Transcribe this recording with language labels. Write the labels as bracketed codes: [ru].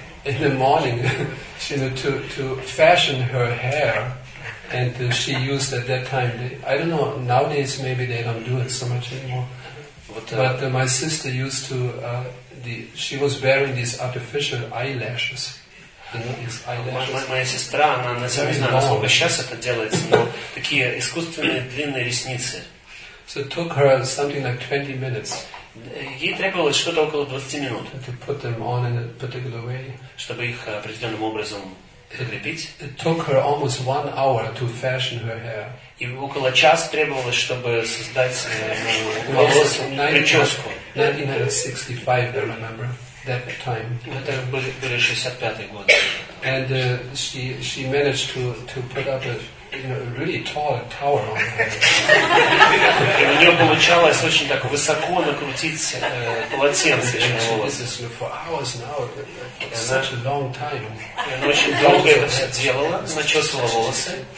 [en] In the morning, she had to fashion her hair. And she used at that time, I don't know, nowadays maybe they don't do it so much anymore. But my sister used to, she was wearing these artificial eyelashes. You know, these eyelashes. [ru] Моя сестра, она не знаю, насколько сейчас это делается, но такие искусственные длинные ресницы. [en] So it took her something like 20 minutes. [ru] Ей требовалось что-то около 20 минут. [en] To put them on in a particular way. [ru] Чтобы их определенным образом... [en] It took her almost 1 hour to fashion her hair. [ru] И около часа требовалось, чтобы создать волос, прическу. [en] 1965, I remember that time. [ru] Это были 65-й год. [en] And she managed to put up a, you know, really tall tower on her. [ru] У нее получалось очень так высоко накрутить полотенце. [en] This is for hours now. Such a long time. [ru] Она очень долго это все делала, начесывала волосы.